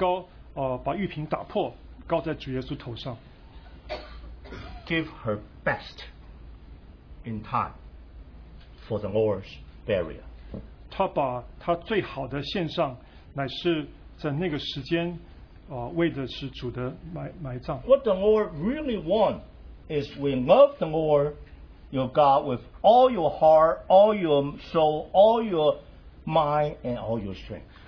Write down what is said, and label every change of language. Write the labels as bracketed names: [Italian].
[Chinese] 所以，玛利亚那时候也拿出那极贵的真拿达香膏，把玉瓶打破，膏在主耶稣头上. [English] Give her best in time for the Lord's burial. [Chinese] 他把他最好的献上，乃是在那个时间，为的是主的埋葬。 [English] What the Lord really wants is we love the Lord your God with all your heart, all your soul, all your mind, and all your strength.